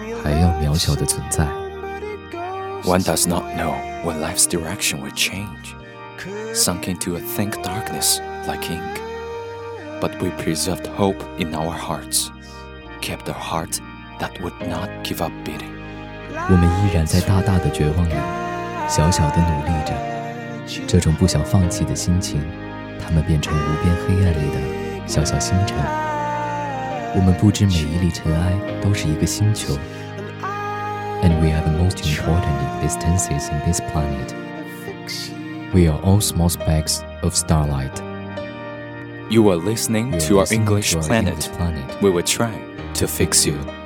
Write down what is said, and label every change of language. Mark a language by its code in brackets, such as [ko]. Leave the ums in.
[zh] 还要渺小的存在 [en] one does not know when life's direction will change sunk into a thick darkness like ink but we preserved hope in our hearts kept a heart that would not give up beating [zh] 我们依然在大大的绝望里，小小的努力着。这种不想放弃的心情，他们变成无边黑暗里的小小星辰。我们不知每一粒尘埃都是一个星球。 [en] And we are the most important existences in this planet. We are all small specks of starlight. You are listening, to our English, planet. planet. We will try to fix you.